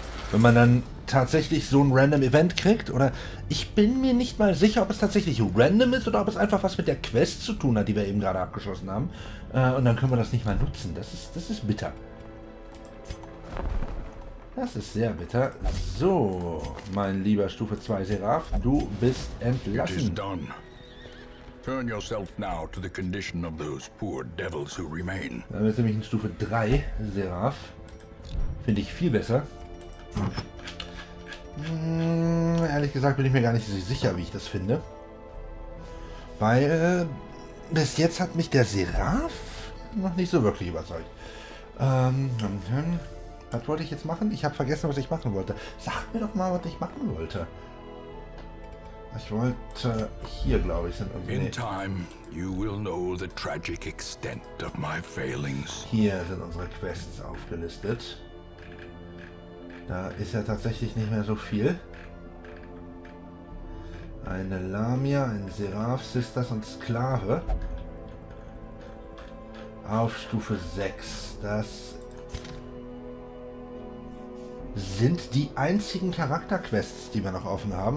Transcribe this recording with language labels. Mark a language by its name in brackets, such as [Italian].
[German] Wenn man dann tatsächlich so ein random Event kriegt, oder ich bin mir nicht mal sicher, ob es tatsächlich random ist oder ob es einfach was mit der Quest zu tun hat, die wir eben gerade abgeschlossen haben. Und dann können wir das nicht mal nutzen. Das ist bitter. Das ist sehr bitter. So, mein lieber Stufe 2 Seraph, du bist entlassen. [English] It is done. Turn yourself now to the condition of those poor devils who remain. [German] Dann ist nämlich ein Stufe 3 Seraph. Finde ich viel besser. Ehrlich gesagt bin ich mir gar nicht so sicher, wie ich das finde. Weil bis jetzt hat mich der Seraph noch nicht so wirklich überzeugt. Was wollte ich jetzt machen? Ich habe vergessen, was ich machen wollte. Sag mir doch mal, was ich machen wollte. Ich wollte hier, glaube ich, sind unsere. [English] In time, you will know the tragic extent of my failings. [German] Hier sind unsere Quests aufgelistet. Da ist ja tatsächlich nicht mehr so viel. Eine Lamia, ein Seraph, Sisters und Sklave. Auf Stufe 6. Das sind die einzigen Charakterquests, die wir noch offen haben.